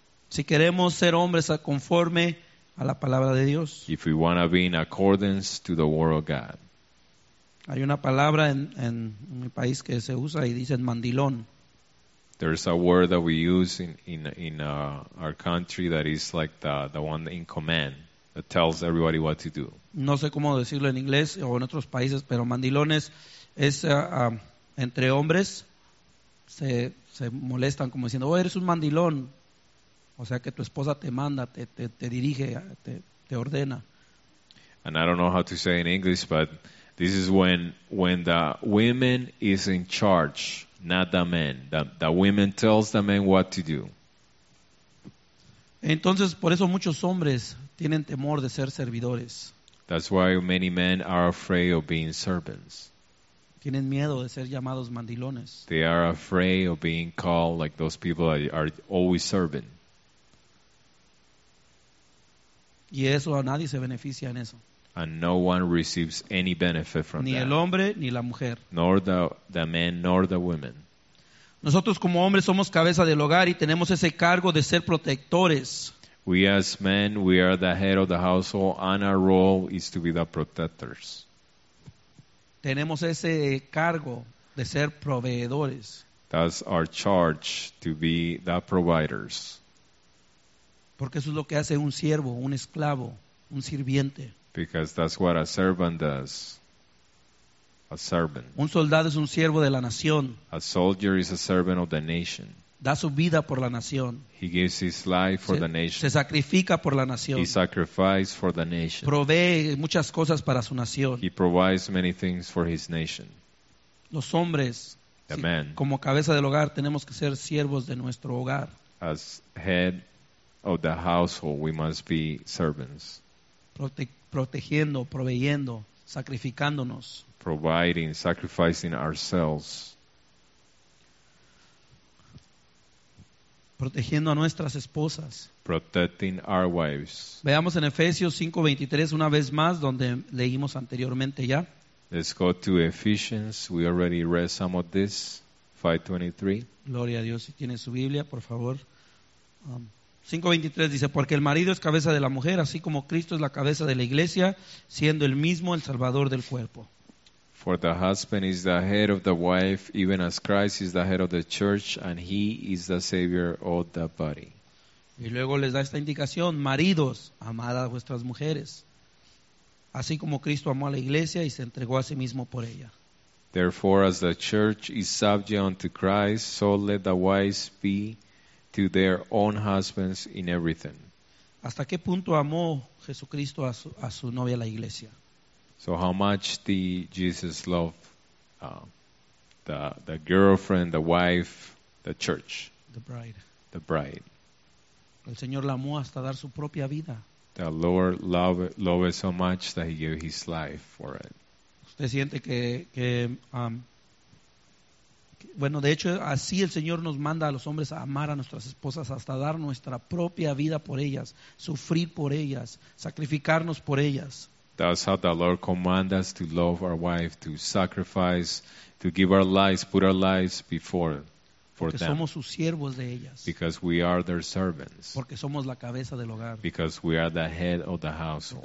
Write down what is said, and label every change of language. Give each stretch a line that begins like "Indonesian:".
Spanish: Si queremos ser hombres conforme a la palabra de Dios.
English: If we want to be in accordance to the word of God.
Spanish: Hay una palabra en mi país que se usa y dicen mandilón.
English: There's a word that we use in our country that is like the one in command that tells everybody what to do.
Spanish: No sé cómo decirlo en inglés o en otros países, pero mandilón es entre hombres se molestan como diciendo, oh, eres un mandilón. O sea que tu esposa te manda, te dirige, te ordena.
English: And I don't know how to say it in English, but this is when the woman is in charge, not the man. The woman tells the man what to do.
Spanish: Entonces, por eso muchos hombres tienen temor de ser servidores.
English: That's why many men are afraid of being servants.
Spanish: Tienen miedo de ser llamados mandilones.
English: They are afraid of being called like those people that are always serving.
Spanish: Y eso, a nadie se beneficia en eso.
English: And no one receives any benefit from
Spanish: ni
English: that.
Spanish: El hombre, ni la mujer.
English: Nor the man, nor the woman.
Spanish: Nosotros como hombres somos cabeza del hogar y tenemos ese cargo de ser protectores.
English: We as men, we are the head of the household and our role is to be the protectors.
Spanish: Tenemos ese cargo de ser proveedores.
English: That's our charge, to be the providers.
Spanish: Porque eso es lo que hace un siervo, un esclavo, un sirviente.
English: Because that's what a servant does. a servant.
Spanish: Un soldado es un siervo de la nación.
English: A soldier is a servant of the nation.
Spanish: Da su vida por la nación.
English: He gives his life for the nation.
Spanish: Se sacrifica por la nación.
English: He sacrifices for the nation.
Spanish: Provee muchas cosas para su nación.
English: He provides many things for his nation.
Spanish: Los hombres, como cabeza del hogar, tenemos que ser siervos de nuestro hogar.
English: As head of the household, we must be servants.
Spanish: Protegiendo, proveyendo, sacrificándonos.
English: Providing, sacrificing ourselves.
Spanish: Protegiendo a nuestras esposas.
English: Protecting our wives.
Spanish: Veamos en Efesios 5:23 una vez más donde leímos anteriormente ya.
English: Let's go to Ephesians. We already read some of this. 5:23.
Spanish: Gloria a Dios. Si tiene su Biblia, por favor. 5:23 dice, porque el marido es cabeza de la mujer, así como Cristo es la cabeza de la iglesia, siendo el mismo el salvador del cuerpo.
English: For the husband is the head of the wife, even as Christ is the head of the church, and he is the savior of the body.
Spanish: Y luego les da esta indicación, maridos, amad a vuestras mujeres, así como Cristo amó a la iglesia y se entregó a sí mismo por ella.
English: Therefore, as the church is subject unto Christ, so let the wives be to their own husbands in everything.
Spanish: ¿Hasta qué punto amó Jesucristo a su novia, la iglesia?
English: So how much did Jesus love the girlfriend, the wife, the church? The bride. The bride.
Spanish: El Señor la amó hasta dar su propia vida.
English: The Lord loved so much that he gave his life for it.
Spanish: Usted siente que de hecho así el Señor nos manda a los hombres a amar a nuestras esposas hasta dar nuestra propia vida por ellas, sufrir por ellas, sacrificarnos por ellas.
English: That's how the Lord commands us to love our wife, to sacrifice, to give our lives, put our lives before for
Spanish: Porque
English: them.
Spanish: Somos sus siervos de ellas.
English: Because we are their servants.
Spanish: Porque somos la cabeza del hogar.
English: Because we are the head of the household.